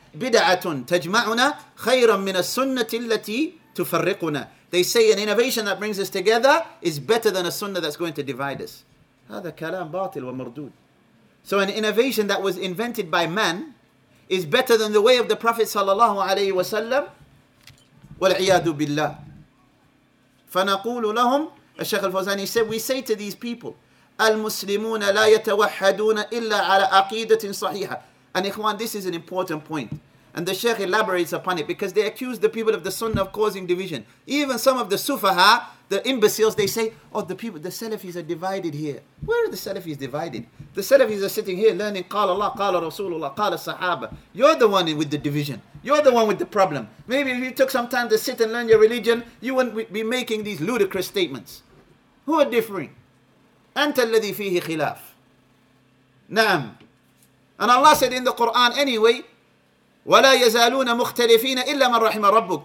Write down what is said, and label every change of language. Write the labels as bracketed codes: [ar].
[ar] بِدْعَةٌ تَجْمَعُنَا خَيْرًا مِنَ السُنَّةِ الَّتِي تُفَرِّقُنَا. [en] They say an innovation that brings us together is better than a sunnah that's going to divide us. [ar] هذا كلام باطل ومردود. [en] So an innovation that was invented by man is better than the way of the Prophet sallallahu alayhi wa sallam. [ar] وَالْعِيَادُ بِاللَّهِ فَنَقُولُ لَهُمْ. الشيخ الفوزاني [en] said, we say to these people, [ar] الْمُسْلِمُونَ لَا يَتَوَحَّدُونَ إِلَّا عَلَى أَقِيدَةٍ صَحِيحَةٍ. [en] And Ikhwan, this is an important point. And the Shaykh elaborates upon it because they accuse the people of the Sunnah of causing division. Even some of the Sufaha, the imbeciles, they say, oh, the people, the Salafis are divided here. Where are the Salafis divided? The Salafis are sitting here learning, [ar] قال الله, قال رسول الله, قال الصحابة. [en] You're the one with the division. You're the one with the problem. Maybe if you took some time to sit and learn your religion, you wouldn't be making these ludicrous statements. Who are differing? [ar] أنت الذي فيه خلاف. نعم. [en] And Allah said in the Quran anyway, [ar] وَلَا يَزَالُونَ مُخْتَلِفِينَ إِلَّا مَنْ رَحِمَ رَبُّكَ.